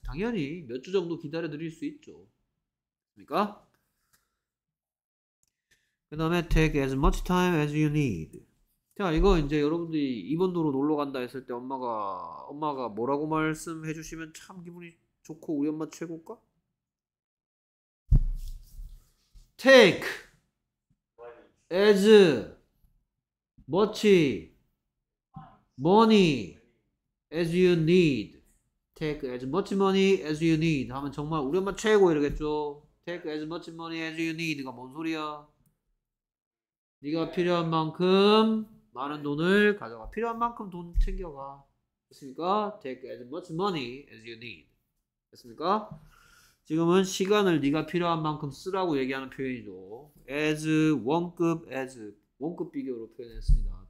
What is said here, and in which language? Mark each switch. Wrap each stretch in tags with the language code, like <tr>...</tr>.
<ko>당연히 몇 주 정도 기다려드릴 수 있죠. 됐습니까? 그 다음에</ko> <en>take as much time as you need.</en> <ko>자, 이거 이제 여러분들이 이번도로 놀러 간다 했을 때 엄마가 뭐라고 말씀해 주시면 참 기분이 좋고 우리 엄마 최고일까?</ko> <en>Take as much money as you need. Take as much money as you need.</en> <ko>하면 정말 우리 엄마 최고 이러겠죠.</ko> <en>Take as much money as you need가</en> <ko>뭔 소리야? 네가 필요한 만큼 많은 돈을 가져가. 필요한 만큼 돈 챙겨가. 됐습니까?</ko> <en>Take as much money as you need.</en> <ko>됐습니까? 지금은 시간을 네가 필요한 만큼 쓰라고 얘기하는 표현이죠. As 원급, as 원급 비교로 표현했습니다.</ko>